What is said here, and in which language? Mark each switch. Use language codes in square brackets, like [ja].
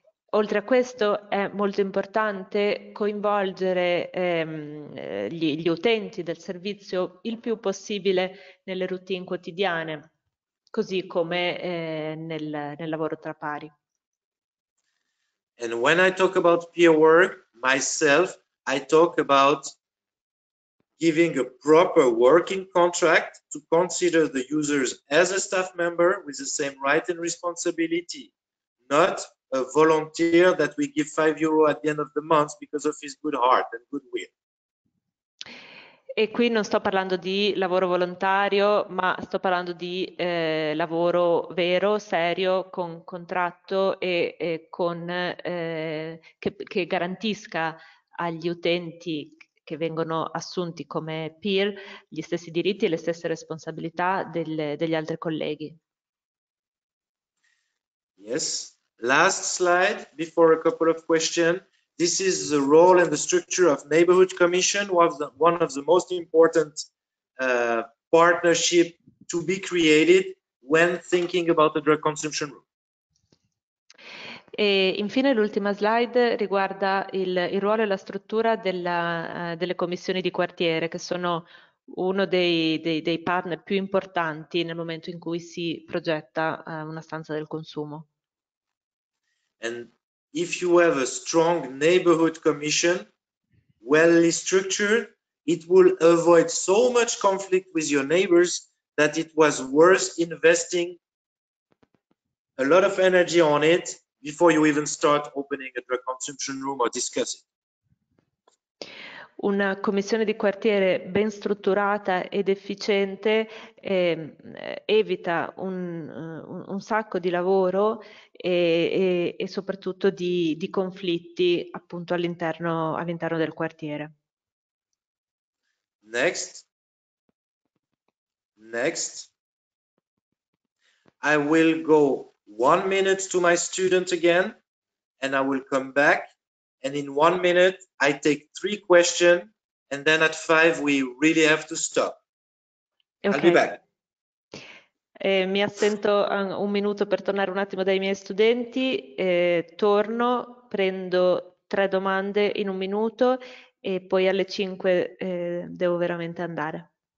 [it] Oltre a questo, è molto importante coinvolgere gli utenti del servizio il più possibile nelle routine quotidiane, così come nel lavoro tra pari. [en] And when I talk about peer work myself, I talk about giving a proper working contract to consider the users as a staff member with the same right and responsibility, not a volunteer that we give €5 at the end of the month because of his good heart and goodwill. [it] E qui non sto parlando di lavoro volontario, ma sto parlando di lavoro vero, serio, con contratto che garantisca agli utenti che vengono assunti come peer gli stessi diritti e le stesse responsabilità degli altri colleghi. [en] Yes, last slide before a couple of questions. This is the role and the structure of Neighborhood Commission, one of the most important partnership to be created when thinking about the drug consumption rule. [it] E infine l'ultima slide riguarda il ruolo e la struttura delle commissioni di quartiere, che sono uno dei partner più importanti nel momento in cui si progetta una stanza del consumo. [en] And if you have a strong neighborhood commission, well structured, it will avoid so much conflict with your neighbors that it was worth investing a lot of energy on it before you even start opening a drug consumption room or discussing. [it] Una commissione di quartiere ben strutturata ed efficiente evita un sacco di lavoro e soprattutto di conflitti appunto all'interno del quartiere. [en] Next, I will go 1 minute to my student again, and I will come back. And in 1 minute, I take 3 questions, and then at 5, we really have to stop. I'll Ok, be back. [it] mi assento un minuto per tornare un attimo dai miei studenti, torno, prendo 3 domande in 1 minuto e poi alle 5 devo veramente andare.